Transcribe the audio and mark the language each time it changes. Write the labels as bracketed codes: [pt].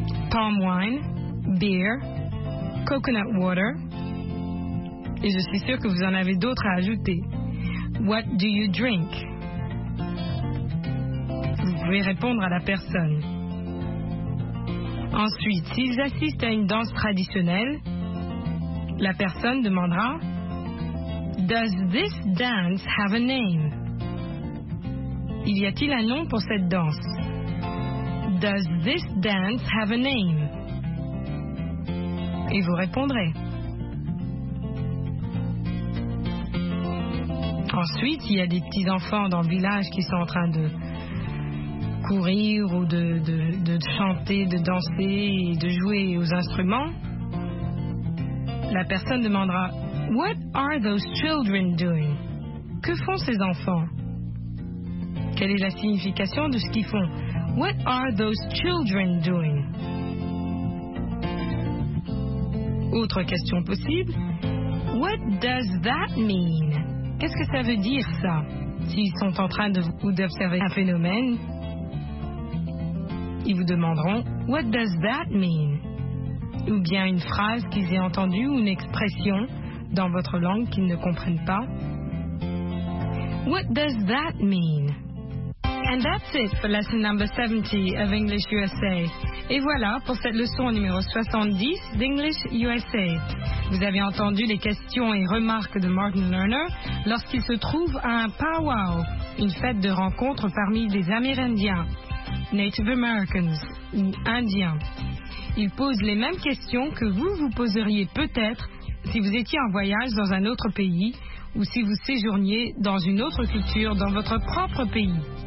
[en] Palm wine, beer, coconut water. [fr] Et je suis sûre que vous en avez d'autres à ajouter. [en] What do you drink? [fr] Vous pouvez répondre à la personne. Ensuite, s'ils assistent à une danse traditionnelle, la personne demandera « [en] Does this dance have a name ?» [fr] Il y a-t-il un nom pour cette danse ?« [en] Does this dance have a name ?» [fr] Et vous répondrez. Ensuite, il y a des petits-enfants dans le village qui sont en train de courir ou de chanter, de danser et de jouer aux instruments, la personne demandera « [en] What are those children doing ?» [fr] Que font ces enfants ? Quelle est la signification de ce qu'ils font ? [en] « What are those children doing ?» [fr] Autre question possible, « [en] What does that mean ?» [fr] Qu'est-ce que ça veut dire, ça ? S'ils sont en train de ou d'observer un phénomène, ils vous demanderont « [en] What does that mean ?» [fr] ou bien une phrase qu'ils aient entendue ou une expression dans votre langue qu'ils ne comprennent pas. [en] « What does that mean ?» And that's it for lesson number 70 of English USA. [fr] Et voilà pour cette leçon numéro 70 d'English USA. Vous avez entendu les questions et remarques de Martin Lerner lorsqu'il se trouve à un powwow, une fête de rencontre parmi des Amérindiens. Native Americans ou Indiens. Ils posent les mêmes questions que vous vous poseriez peut-être si vous étiez en voyage dans un autre pays ou si vous séjourniez dans une autre culture dans votre propre pays.